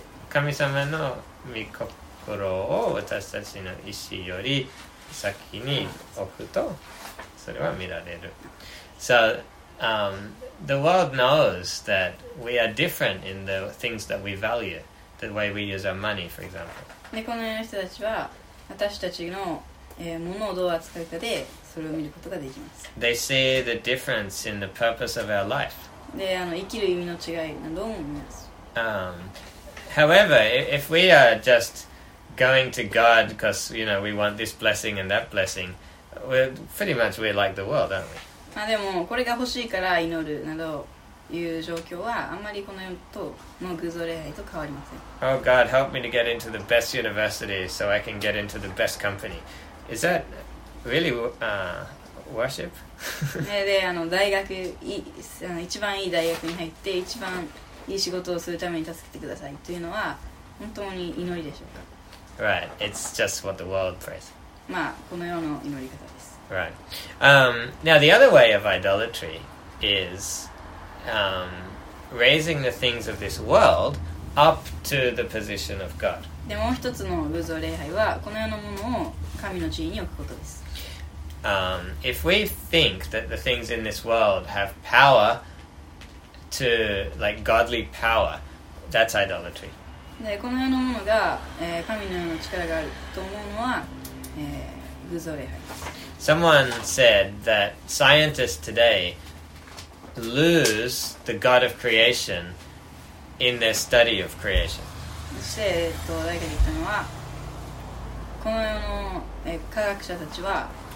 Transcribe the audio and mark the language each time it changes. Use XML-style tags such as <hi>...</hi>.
<ja>神様の御心を私たちの意思より先に置くと、それは見られる。</ja> <en>So,the world knows that we are different in the things that we value, the way we use our money, for example.</en> <ja>で、この人たちは私たちの、物をどう扱うかでそれを見ることができます。</ja> <en>They see the difference in the purpose of our life.</en> <ja>で、生きる意味の違いなどを見ます。</ja> <en>However, if we are just going to God because, you know, we want this blessing and that blessing, we're pretty much like the world, aren't we?</en> <ja>まあ、でもこれが欲しいから祈るなどいう状況はあんまりこの世との偶像礼拝と変わりません。</ja> <en>Oh God, help me to get into the best university so I can get into the best company. Is that really worship?</en> <ja>で、大学、一番いい大学に入って一番いい仕事をするために助けてくださいというのは本当に祈りでしょうか。</ja> <en>Right, it's just what the world prays.</en> <ja>まあ、この世の祈り方です。 Right.</ja> <en>Now, the other way of idolatry is raising the things of this world up to the position of God.</en> <ja>で、もう一つの偶像礼拝はこの世のものを神の地位に置くことです。</ja> <en>If we think that the things in this world have power to, like, godly power, that's idolatry.</en> <ja>で、この世のものが、神のような力があると思うのは、偶像礼拝です。</ja> <en>Someone said that scientists today lose the God of creation in their study of creation.</en> <ja>そして、誰かが言ったのは、この世の、科学者たちは、</ja>